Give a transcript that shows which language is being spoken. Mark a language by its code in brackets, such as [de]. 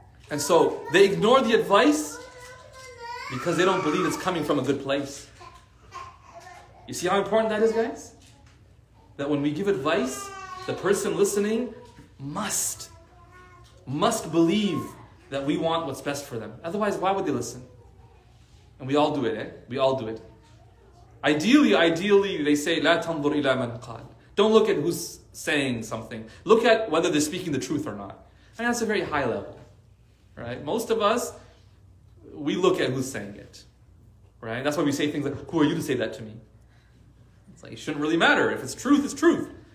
[en] And so they ignore the advice because they don't believe it's coming from a good place. You see how important that is, guys? That when we give advice, the person listening must believe that we want what's best for them. Otherwise, why would they listen? And we all do it, eh? We all do it. Ideally, they say, [ar] لا تنظر إلى من قال. [en] Don't look at who's saying something. Look at whether they're speaking the truth or not. And that's a very high level, right? Most of us, we look at who's saying it, right? That's why we say things like, who are you to say that to me? It's like, it shouldn't really matter. If it's truth, it's truth.